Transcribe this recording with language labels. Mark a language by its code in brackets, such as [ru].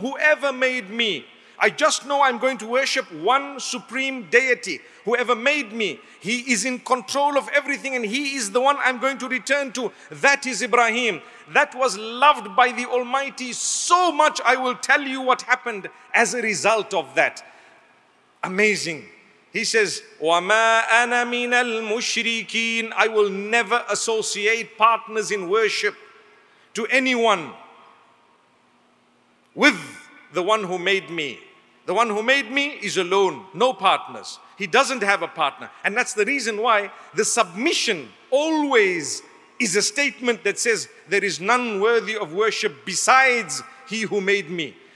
[en] Whoever made me. I just know I'm going to worship one supreme deity. Whoever made me, he is in control of everything and he is the one I'm going to return to. That is Ibrahim. That was loved by the Almighty so much. I will tell you what happened as a result of that. Amazing. He says, [ar] وَمَا أَنَا مِنَ الْمُشْرِكِينَ. [en] I will never associate partners in worship to anyone with the one who made me. The one who made me is alone, no partners. He doesn't have a partner. And that's the reason why the submission always is a statement that says, there is none worthy of worship besides he who made me.